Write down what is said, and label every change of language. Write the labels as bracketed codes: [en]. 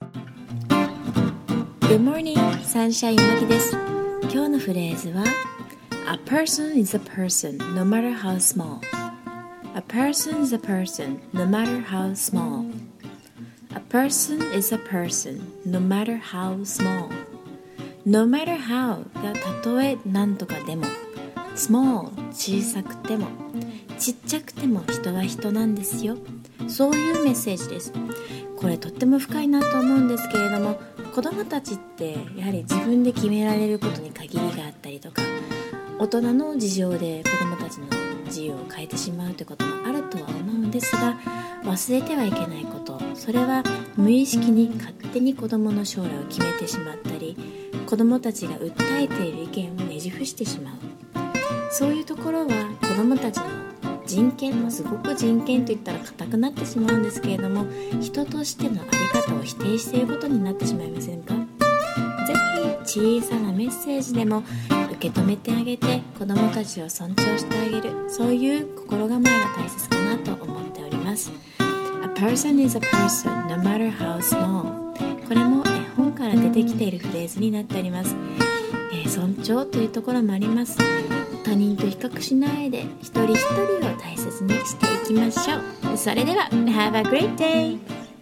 [en] Good morning, [ja] サンシャインマキです。今日のフレーズは [en] A person is a person, no matter how small. A person is a person, no matter how small. A person is a person, no matter how small. No matter how [ja] がたとえなんとかでも、 small 小さくても、ちっちゃくても人は人なんですよ。そういうメッセージです。これとっても深いなと思うんですけれども、子供たちってやはり自分で決められることに限りがあったりとか、大人の事情で子供たちの自由を変えてしまうということもあるとは思うんですが、忘れてはいけないこと、それは無意識に勝手に子供の将来を決めてしまったり、子供たちが訴えている意見をねじ伏してしまう、そういうところは子供たちの人権も、すごく人権といったら固くなってしまうんですけれども、人としてのあり方を否定していることになってしまいませんか。ぜひ小さなメッセージでも受け止めてあげて、子どもたちを尊重してあげる、そういう心構えが大切かなと思っております。 [en] A person is a person, no matter how small. [ja] これも絵本から出てきているフレーズになっております。尊重というところもあります。他人と比較しないで、一人一人を大切にしていきましょう。それでは [en] Have a great day!